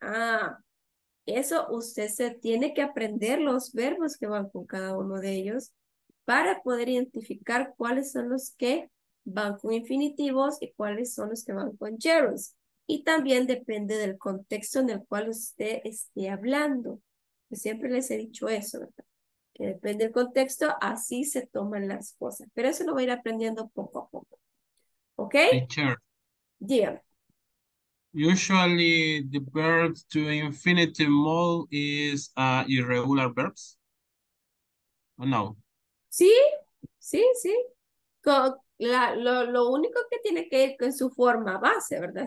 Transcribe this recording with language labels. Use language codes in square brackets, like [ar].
[es] Ah, eso usted se tiene que aprender los verbos que van con cada uno de ellos para poder identificar cuáles son los que van con infinitivos y cuáles son los que van con gerunds. Y también depende del contexto en el cual usted esté hablando. Yo siempre les he dicho eso, ¿verdad? Que depende del contexto, así se toman las cosas. Pero eso lo voy a ir aprendiendo poco a poco. ¿Ok? Teacher. Dígame. [en] Usually the verbs to infinitive mode is irregular verbs. [es] ¿O no? Sí, sí, sí. Lo único que tiene que ir con su forma base, ¿verdad?